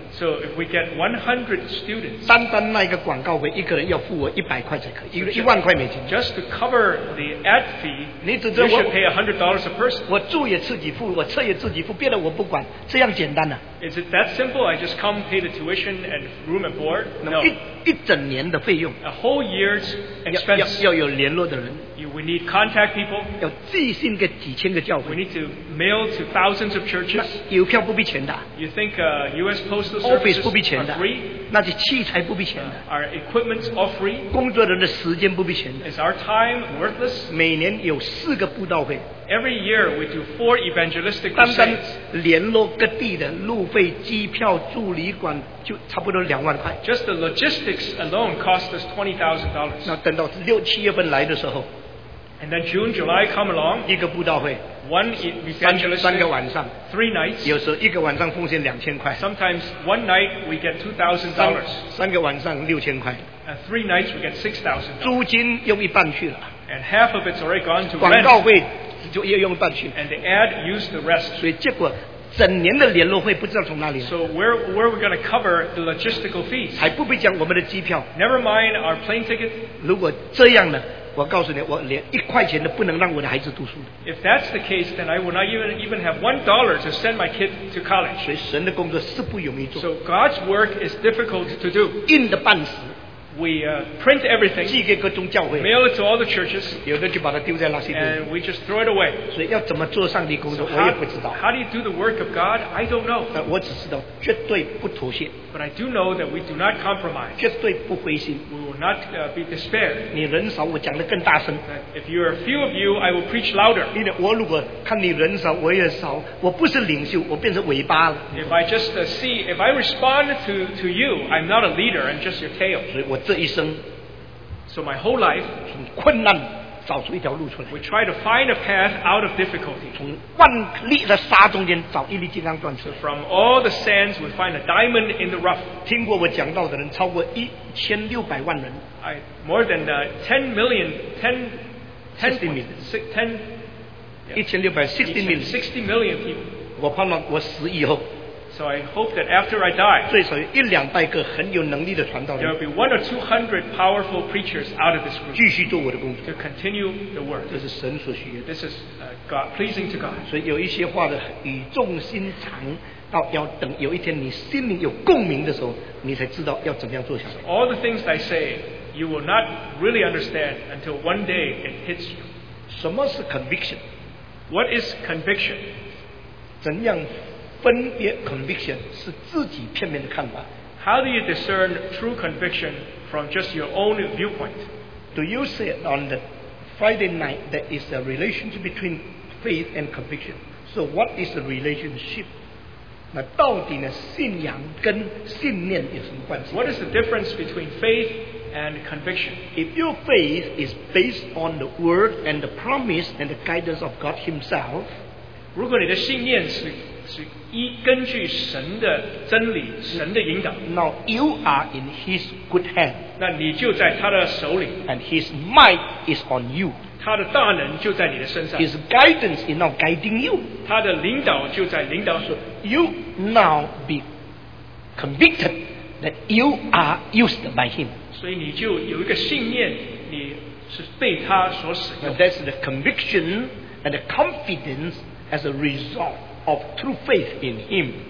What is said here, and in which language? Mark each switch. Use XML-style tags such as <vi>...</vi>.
<en>So if we get 100 students, just to cover the ad fee, you should pay $100 a person.</en> <zh>我住也自己付, 我车也自己付, 别的我不管, 这样简单啊。</zh> <en>Is it that simple? I just come pay the tuition and room and board? No.</en> <zh>一整年的费用,</zh> <en>a whole year's expense.</en> <zh>要有联络的人,</zh> <en>we need contact people.</en> <zh>要寄信给几千个教会,</zh> <en>we need to mail to thousands of churches.</en> <zh>那邮票不必钱的,</zh> <en>you think U.S. Postal Service is free?</en> <zh>那些器材不必钱的,</zh> <en>our equipment is all free?</en> <zh>工作人的时间不必钱的,</zh> <en>is our time worthless?</en> <zh>每年有4个布道会,</zh> <en>every year we do 4 evangelistic crusades.</en> <zh>单单联络各地的路费机票住旅馆,</zh> <en>just the logistics alone cost us $20,000.</en> <zh>那等到六七月份来的时候,</zh> <en>and then June, July come along,</en> <zh>一个布道会,</zh> <en>one evangelist,</en> <zh>三个晚上,</zh> <en>3 nights,</en> <zh>有时候一个晚上奉献2000块,</zh> <en>sometimes one night we get $2,000,</en> <zh>三个晚上6000块,</zh> <en>and 3 nights we get $6,000.</en> <zh>租金用一半去了,</zh> <en>and half of it's already gone to rent,</en> <zh>广告费就又用一半去,</zh> <en>and the ad used the rest.</en> <zh>所以结果, 整年的联络会不知道从哪里来,</zh> <en>so where are we going to cover the logistical fees?</en> <zh>还不必讲我们的机票,</zh> <en>never mind our plane tickets.</en> <zh>如果这样呢, 我告诉你, 我连1块钱都不能让我的孩子读书,</zh> <en>if that's the case, then I will not even have $1 to send my kid to college.</en> <zh>所以神的工作是不容易做,</zh> <en>so God's work is difficult to do.</en> <zh>硬的半死,</zh> <en>we print everything,</en> <zh>寄给各种教会,</zh> <en>mail it to all the churches,</en> <zh>有的就把它丢在那些地方,</zh> <en>and we just throw it away.</en> <zh>所以要怎么做上帝工作,</zh> <en>so</en> <zh>我也不知道,</zh> <en>how do you do the work of God? I don't know.</en> <zh>我只知道绝对不妥协,</zh> <en>but I do know that we do not compromise,</en> <zh>绝对不灰心,</zh> <en>we will not be despaired.</en> <zh>你人少,</zh> <en>and if you are a few of you, I will preach louder.</en> <zh>我如果看你人少, 我也少, 我不是领袖,</zh> <en>if I respond to you, I'm not a leader, I'm just your tail.</en> <zh>我这一生,</zh> <en>so my whole life,</en> <zh>从困难找出一条路出来,</zh> <en>we try to find a path out of difficulty.</en> <zh>从万粒的沙中间找一粒金刚钻石,</zh> <en>so from all the sands we find a diamond in the rough.</en> <zh>听过我讲道的人超过1600万人,</zh> <en>more than 10 million, 1660 million people.</en> <zh>我盼望我死以后,</zh> <en>so I hope that after I die,</en> <zh>最少有1-2百个很有能力的传道人,</zh> <en>there will be 100 or 200 powerful preachers out of this group,</en> <zh>继续做我的工作,</zh> <en>to continue the work.</en> <zh>这是神所需要的,</zh> <en>this is God, pleasing to God.</en> <zh>所以有一些话的语重心长, 到要等有一天你心里有共鸣的时候你才知道要怎么样做下去,</zh> <en>so all the things I say you will not really understand until one day it hits you.</en> <zh>什么是 conviction?</zh> <en>What is conviction?</en> <zh>怎样 分别 conviction 是自己片面的看法,</zh> <en>how do you discern true conviction from just your own viewpoint? Do you say on the Friday night that is a relationship between faith and conviction? So what is the relationship?</en> <zh>那到底呢, 信仰跟信念有什么关系?</zh> <en>What is the difference between faith and conviction. If your faith is based on the word and the promise and the guidance of God Himself,</en> <zh>如果你的信念是根据神的真理，神的引导,</zh> <en>now you are in His good hand.</en> <zh>那你就在他的手里,</zh> <en>and His might is on you.</en> <zh>他的大能就在你的身上,</zh> <en>His guidance is now guiding you.</en> <zh>他的领导就在领导,</zh> <en>so you now be convicted that you are used by Him.</en> <zh>所以你就有一个信念,</zh> <en>that's the conviction and the confidence as a result of true faith in Him.</en>